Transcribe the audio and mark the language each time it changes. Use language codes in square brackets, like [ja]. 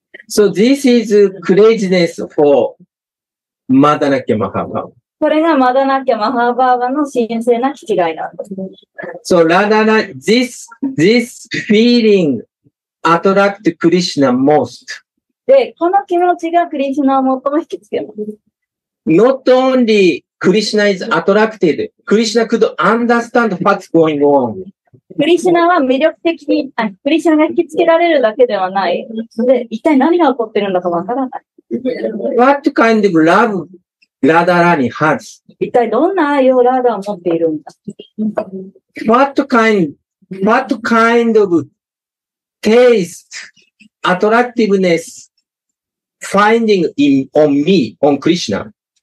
[en] So this is craziness for Madanakya Mahabhava. [ja] これがマダナキャ・マハーバーバの神聖な気違いなんです。 [en] So, Radhana, this feeling attract Krishna most. [ja] で、この気持ちがクリシナを最も引きつけます。 [en] Not only Krishna is attracted, Krishna could understand what's going on. [ja] クリシナは魅力的に、クリシナが引きつけられるだけではない。で、一体何が起こってるんだかわからない。 [en] What kind of love? Radharani has. [ja] 一体どんな愛をラーダを持っているんだ [en] what kind of taste, attractiveness finding in, on me, on Krishna?